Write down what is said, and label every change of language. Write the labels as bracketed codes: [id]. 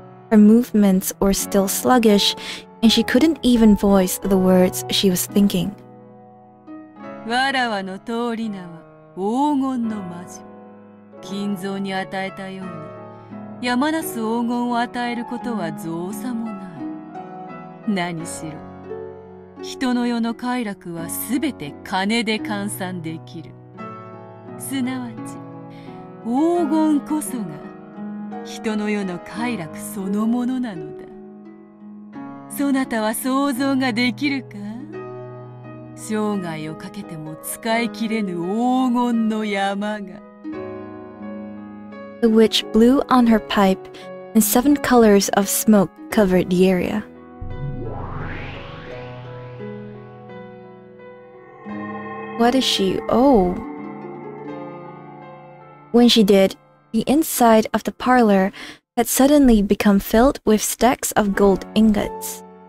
[en] Her movements were still sluggish, and she couldn't even voice the words she was thinking. [ja] わらわの通り名は黄金の魔女。金蔵に与えたように、山なす黄金を与えることは造作もない。何しろ、人の世の快楽はすべて金で換算できる。すなわち、黄金こそが人の世の快楽そのものなのだ。そなたは想像ができるか？生涯をかけても使い切れぬ黄金の山が。 [en] The witch blew on her pipe, and 7 colors of smoke covered the area. What is she? Oh. When she did, the inside of the parlor had suddenly become filled with stacks of gold ingots.